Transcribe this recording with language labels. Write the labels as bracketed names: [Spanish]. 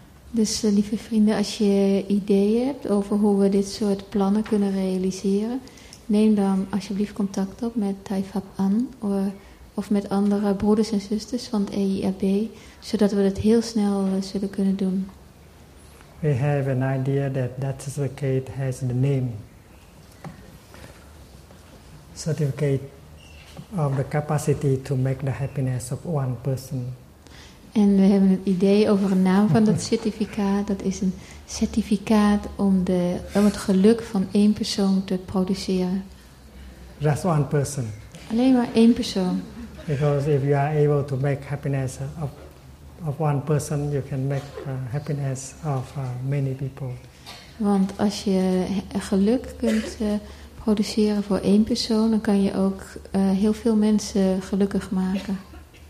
[Dutch] Dus lieve vrienden, als je ideeën hebt over hoe we dit soort plannen kunnen realiseren, neem dan alsjeblieft contact op met Thầy Pháp Ấn of met andere broeders en zusters van het EIAB, zodat we dat heel snel zullen kunnen doen. [English] We have an idea that certificate has the name. Certificate of the capacity to make the happiness of one person. [Dutch] En we hebben het idee over een naam van dat certificaat. Dat is een certificaat om het geluk van één persoon te produceren. [English] Just one person. [Dutch] Alleen maar één persoon. [English] Because if you are able to make happiness of one person, you can make happiness of many people. [Dutch] Want als je geluk kunt produceren voor één persoon, dan kan je ook heel veel mensen gelukkig maken.